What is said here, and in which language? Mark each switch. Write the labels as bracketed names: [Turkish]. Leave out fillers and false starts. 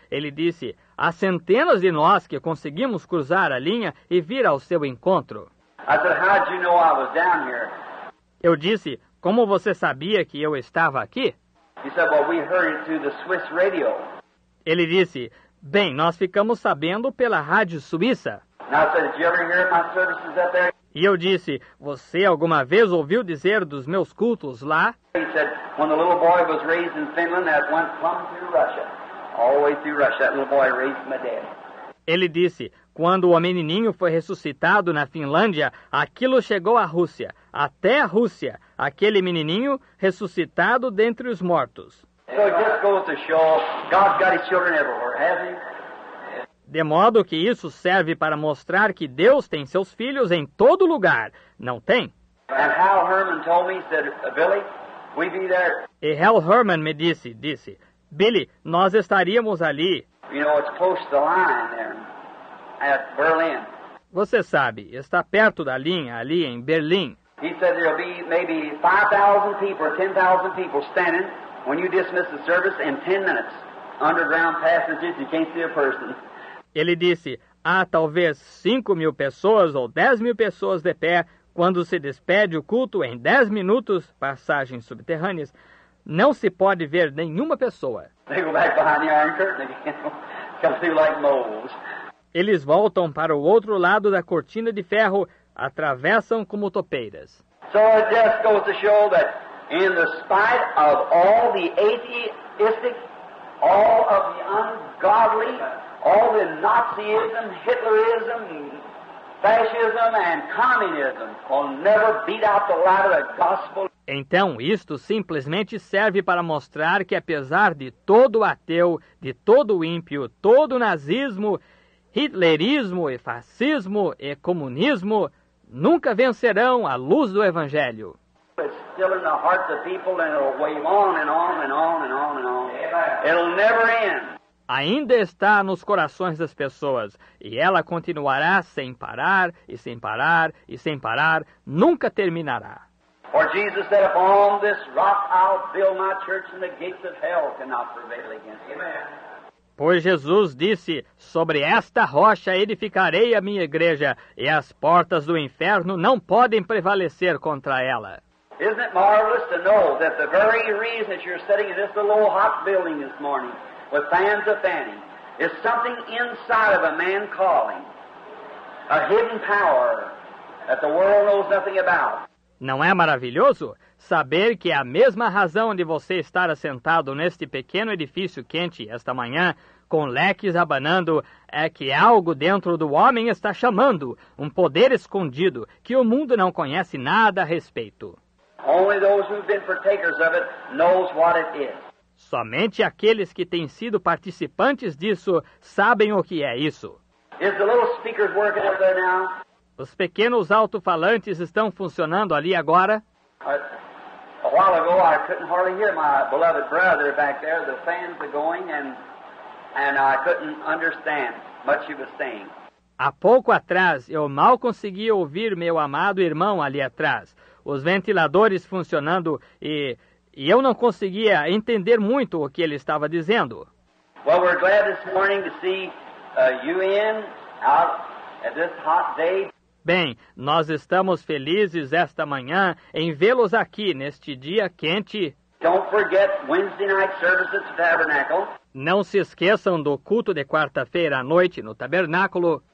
[Portuguese] Ele disse, há centenas de nós que conseguimos cruzar a linha e vir ao seu encontro. [English] I said, how did you know I was down here? [Portuguese] Eu disse, como você sabia que eu estava aqui? [English] He said, well, we heard it through the Swiss radio. [Portuguese] Ele disse, bem, nós ficamos sabendo pela rádio suíça. [English] And I said, did you ever hear my services up there? [Portuguese] E eu disse, você alguma vez ouviu dizer dos meus cultos lá? [English] He said, when the little boy was raised in Finland, that went plumb through Russia. All the way through Russia, that little boy raised my dad. [Portuguese] Ele disse, quando o menininho foi ressuscitado na Finlândia, aquilo chegou à Rússia, até a Rússia, aquele menininho ressuscitado dentre os mortos. [English] So it just goes to show, God's got his children everywhere, hasn't he? [Portuguese] De modo que isso serve para mostrar que Deus tem seus filhos em todo lugar, não tem? [English] And Hal Herman told me, said, Billy, we'd be there. [Portuguese] E Hal Herman me disse, Billy, nós estaríamos ali. [English] You know, it's close to the line there, at Berlin. [Portuguese] Você sabe, está perto da linha ali em Berlim. [English] He said there'll be maybe 5,000 people or 10,000 people standing when you dismiss the service in 10 minutes. Underground passages, you can't see a person. [Portuguese] Ele disse, há talvez 5 mil pessoas ou 10 mil pessoas de pé quando se despede o culto em 10 minutos, passagens subterrâneas, não se pode ver nenhuma pessoa. [English] They go back behind the iron curtain again, come through like moles. [Portuguese] Eles voltam para o outro lado da cortina de ferro, atravessam como topeiras. [English] So it just goes to show that in the spite of all the atheistic, all of the ungodly, all the Nazism, Hitlerism, fascism and communism will never beat out the light of the gospel. [Portuguese] Então, isto simplesmente serve para mostrar que apesar de todo ateu, de todo ímpio, todo nazismo, hitlerismo e fascismo e comunismo, nunca vencerão a luz do evangelho. [English] It's still in the hearts of people and it'll wave on and on and on and on and on. It'll never end. [Portuguese] Ainda está nos corações das pessoas, e ela continuará sem parar, e sem parar, e sem parar, nunca terminará. [English] For Jesus said, upon this rock I'll build my church, and the gates of hell cannot prevail against it. [Portuguese] Pois Jesus disse, sobre esta rocha edificarei a minha igreja, e as portas do inferno não podem prevalecer contra ela. [English] Isn't it marvelous to know that the very reason that you're sitting in this little hot building this morning, with fans of fanning, is something inside of a man calling, a hidden power that the world knows nothing about. [Portuguese] Não é maravilhoso saber que a mesma razão de você estar assentado neste pequeno edifício quente esta manhã, com leques abanando, é que algo dentro do homem está chamando, um poder escondido, que o mundo não conhece nada a respeito. [English] Only those who've been partakers of it knows what it is. [Portuguese] Somente aqueles que têm sido participantes disso sabem o que é isso. [English] Is the little speakers working up there now? [Portuguese] Os pequenos alto-falantes estão funcionando ali agora? [English] A while ago I couldn't hardly hear my beloved brother back there. The fans are going and I couldn't understand much he was saying. [Portuguese] Há pouco atrás eu mal consegui ouvir meu amado irmão ali atrás. Os ventiladores funcionando e eu não conseguia entender muito o que ele estava dizendo. [English] Well, we're glad this morning to see you in out at this hot day. [Portuguese] Bem, nós estamos felizes esta manhã em vê-los aqui neste dia quente. [English] Don't forget Wednesday night service at the tabernacle. [Portuguese] Não se esqueçam do culto de quarta-feira à noite no tabernáculo.